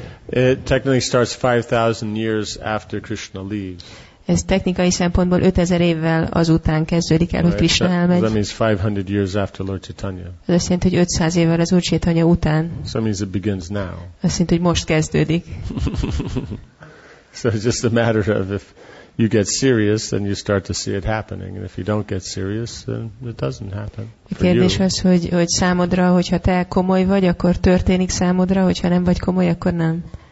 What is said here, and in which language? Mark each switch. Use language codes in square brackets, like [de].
[en] It technically starts 5000 years after Krishna leaves. [hu] Ez technikai szempontból 5000 évvel azután kezdődik el, hogy Krishna elmegy. [en] That means 500 years after Lord Chaitanya. [hu] Ez azt jelenti, hogy 500 évvel az Úr Csaitanya után. [en] So means it begins now. [hu] Azt jelenti, hogy most kezdődik. [en] So it's just a matter of if you get serious, then you start to see it happening. And if you don't get serious, then it doesn't happen. [hu] A kérdés az, hogy számodra, hogyha te komoly vagy, akkor történik számodra, hogyha nem vagy komoly, akkor nem.